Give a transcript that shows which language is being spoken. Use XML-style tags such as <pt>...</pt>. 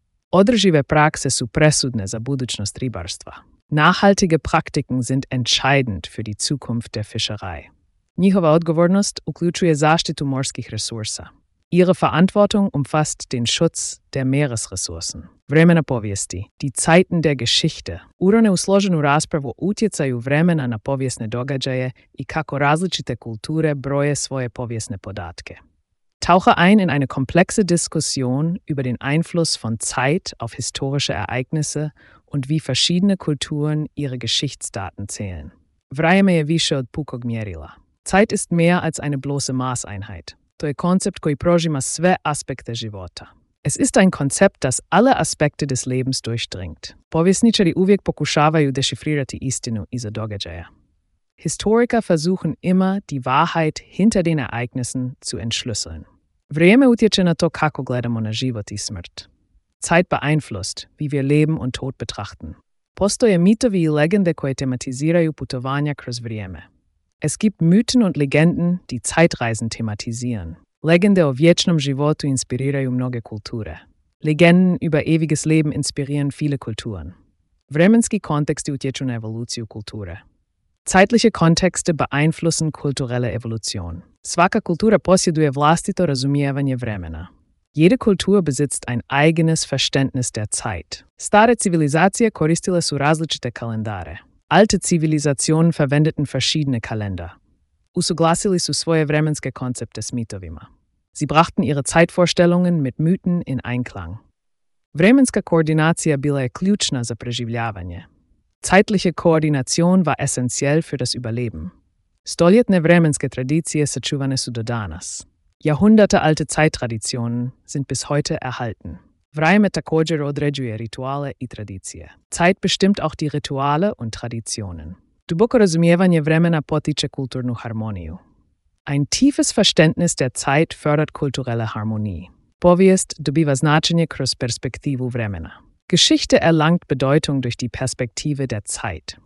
<hr>Održive prakse su presudne za budućnost ribarstva.</hr> <de>Nachhaltige Praktiken sind entscheidend für die Zukunft der Fischerei.</de> <hr>Njihova odgovornost uključuje zaštitu morskih resursa.</hr> <de>Ihre Verantwortung umfasst den Schutz der Meeresressourcen.</de> <hr>Vremena povijesti,</hr> <de>die Zeiten der Geschichte.</de> <hr>Urone u složenu raspravu utjecaju vremena na povijesne događaje i kako različite kulture broje svoje povijesne podatke.</hr> <de>Tauche ein in eine komplexe Diskussion über den Einfluss von Zeit auf historische Ereignisse und wie verschiedene Kulturen ihre Geschichtsdaten zählen.</de> <hr>Vrajeme je više od pukog mjerila.</hr> <de>Zeit ist mehr als eine bloße Maßeinheit.</de> <hr>To je koncept koji prožima sve aspekte života.</hr> <de>Es ist ein Konzept, das alle Aspekte des Lebens durchdringt.</de> <hr>Povjesničari uvijek pokušavaju dešifrirati istinu iza događaja.</hr> <de>Historiker versuchen immer, die Wahrheit hinter den Ereignissen zu entschlüsseln.</de> <hr>Vrijeme utječe na to kako gledamo na život i smrt.</hr> <de>Zeit beeinflusst, wie wir Leben und Tod betrachten.</de> <hr>Postoje mitovi i legende koje tematiziraju putovanja kroz vrijeme.</hr> <de>Es gibt Mythen und Legenden, die Zeitreisen thematisieren.</de> <hr>Legende o vječnom životu inspiriraju mnoge kulture.</hr> <de>Legenden über ewiges Leben inspirieren viele Kulturen.</de> <hr>Vremenski konteksti utječu na evoluciju kulture.</hr> <de>Zeitliche Kontexte beeinflussen kulturelle Evolution.</de> <hr>Svaka kultura posjeduje vlastito razumijevanje vremena.</hr> <de>Jede Kultur besitzt ein eigenes Verständnis der Zeit.</de> <hr>Stare civilizacije koristile su različite kalendare.</hr> <de>Alte Zivilisationen verwendeten verschiedene Kalender.</de> <hr>Usuglasili su svoje vremenske koncepte s mitovima.</hr> <de>Sie brachten ihre Zeitvorstellungen mit Mythen in Einklang.</de> <hr>Vremenska koordinacija bila je ključna za preživljavanje.</hr> <de>Zeitliche Koordination war essentiell für das Überleben.</de> <hr>Stoljetne vremenske tradicije sačuvane su do danas.</hr> <de>Jahrhundertealte Zeittraditionen sind bis heute erhalten.</de> <hr>Vreme također određuje rituale i tradicije.</hr> <de>Zeit bestimmt auch die Rituale und Traditionen.</de> <hr>Duboko razumijevanje vremena potiče kulturnu harmoniju.</hr> <de>Ein tiefes Verständnis der Zeit fördert kulturelle Harmonie.</de> <hr>Povijest dobiva značenje kroz perspektivu vremena.</hr> <de>Geschichte erlangt Bedeutung durch die Perspektive der Zeit.</de>